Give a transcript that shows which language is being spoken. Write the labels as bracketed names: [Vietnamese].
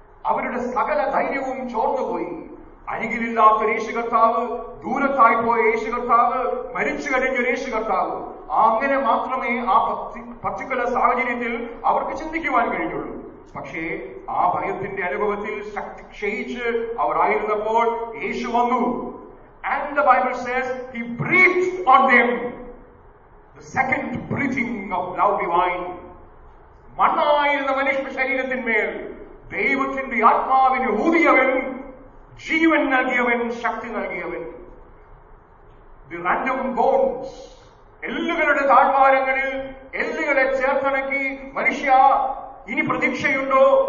[Malayalam] അവരുടെ സകല ധൈര്യവും ചോർന്നുപോയി. അരികിലില്ലാത്ത യേശു കർത്താവ്, ദൂരത്തായി പോയ യേശു കർത്താവ്, മരിച്ചു കഴിഞ്ഞ യേശു കർത്താവ്, അങ്ങനെ മാത്രമേ ആ പർട്ടിക്കുലർ സാഹചര്യത്തിൽ അവർക്ക് ചിന്തിക്കുവാൻ കഴിഞ്ഞുള്ളൂ. പക്ഷേ ആ ഭയത്തിന്റെ അനുഭവത്തിൽ ശക്തി ക്ഷയിച്ച് അവരായിരുന്നപ്പോൾ യേശു വന്നു. [English] And the Bible says, he breathed on them. The second breathing of love divine. [Malayalam] മണ്ണായിരുന്ന മനുഷ്യ ശരീരത്തിന്മേൽ ദൈവത്തിന്റെ ആത്മാവിന് ഊതിയവൻ, ജീവൻ നൽകിയവൻ, ശക്തി നൽകിയവൻ. [English] The random bones, [Malayalam] എല്ലുകളുടെ താഴ്വാരങ്ങളിൽ എല്ലുകളെ ചേർത്തിണക്കി, മനുഷ്യ ഇനി പ്രതീക്ഷയുണ്ടോ?